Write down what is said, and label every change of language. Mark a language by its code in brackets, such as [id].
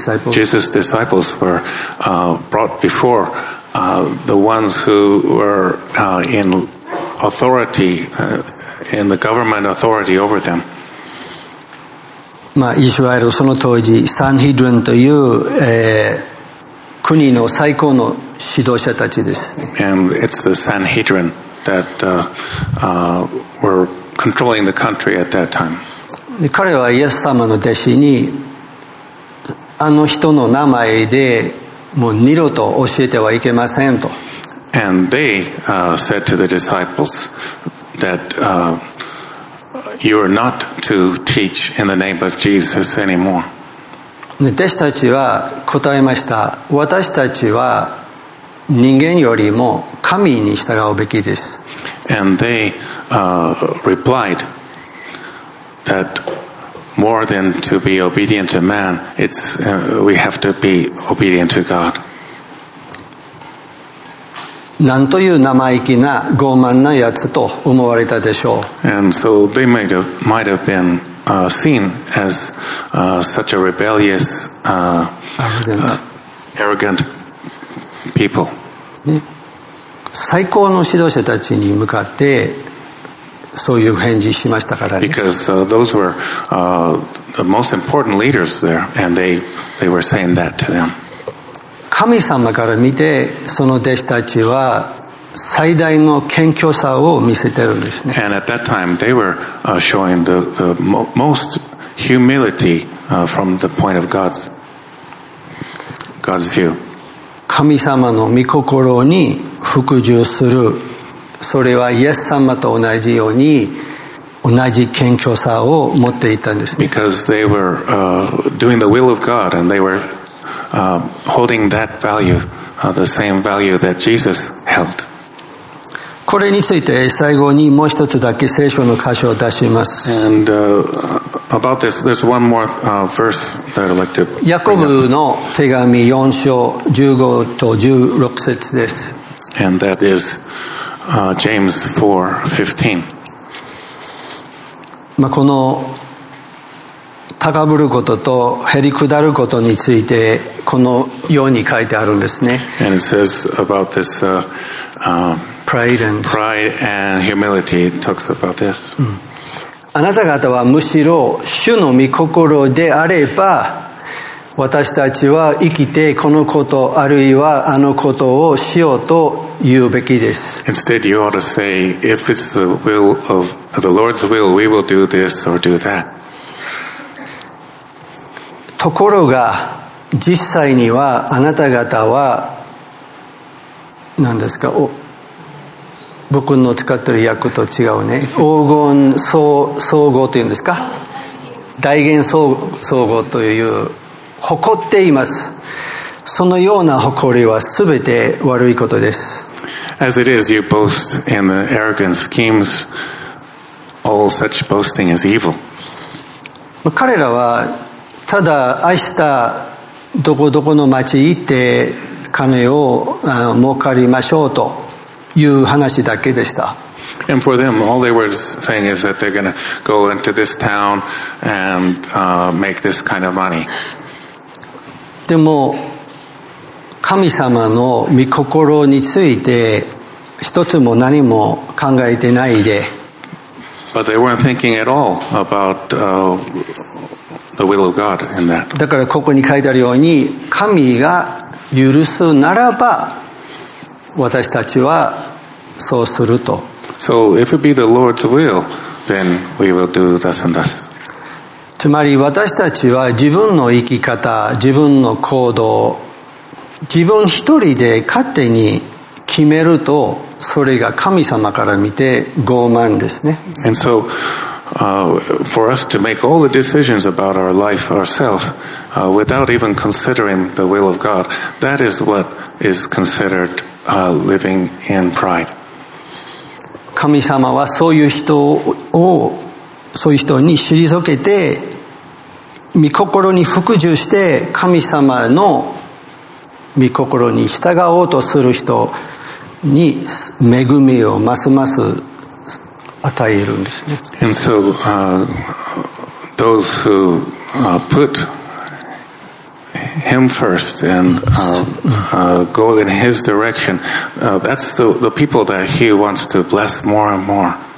[en] Jesus' disciples were、brought before、the ones who were、in authority、in the government authority over them. [ja] まあ、イスラエルその当時サンヘドリンという、国の最高の指導者たちです。 [en] And it's the Sanhedrin that、were controlling the country at that time。 [ja] 彼はイエス様の弟子にあの人の名前でもう二度と教えてはいけませんと。 [en] And they、said to the disciples that、You are not to teach in the name of Jesus anymore. [ja] 弟子たちは答えました。私たちは人間よりも神に従うべきです。 [en] And they、replied that more than to be obedient to man, it's、we have to be obedient to God. [ja] なんという生意気な傲慢なやつと思われたでしょう。 [en] And so they might have been、seen as、such a rebellious、arrogant people、 [ja] ね、最高の指導者たちに向かってそういう返事しましたからね。 [en] Because those were the most important leaders there, and they were saying that to them. [ja] 神様から見て、その弟子たちは最大の謙虚さを見せてるんですね。 [en] And at that time, they were showing the most humility from the point of God's view. [ja] 神様の御心に服従する。それはイエス様と同じように同じ謙虚さを持っていたんですね。 [en] Because they were doing the will of God and they were holding that value, the same value that Jesus held. [ja] これについて最後にもう一つだけ聖書の箇所を出します。 [en] And about this, there's one more verse that I'd like to bring up. [ja] ヤコブの手紙4章15と16節です。 [en] And that is James 4:15. [ja] まあこの高ぶることと減り下ることについてこのように書いてあるんですね。 [en] And it says about this pride and humility. It talks about this. [ja] あなた方はむしろ主の御心であれば、私たちは生きてこのことあるいはあのことをしようと言うべきです。 [en] Instead, you ought to say, if it's the will of the Lord's will, we will do this or do that. [ja] ところが実際にはあなた方は何ですか？僕の使ってる訳と違うね。黄金総合というんですか？大元総合という誇っています。そのような誇りはすべて悪いことです。 [en] As it is, you boast in the arrogant schemes. All such boasting is evil. [ja] 彼らはただ明日どこどこの町行って金を儲かりましょうという話だけでした。 [en] And for them, all they were saying is that they're going to go into this town and make this kind of money. [ja] でも神様の御心について一つも何も考えてないで。 [en] But they weren't thinking at all about the will of God in that. [ja] だからここに書いてあるように、神が許すならば私たちはそうすると。 [en] So if it be the Lord's will, then we will do thus and thus. [ja] つまり私たちは自分の生き方、自分の行動、自分一人で勝手に決めると、それが神様から見て傲慢ですね。 [en] And so, for us to make all the decisions about our life ourselves, without even considering the will of God, that is what is considered living in pride. [ja] 神様はそういう人を、そういう人に退けて、御心に服従して神様の御心に従おうとする人に恵みをますます与えるんですね。 [en] And so, those who put him first and go in his direction, that's the people that he wants to bless more and more.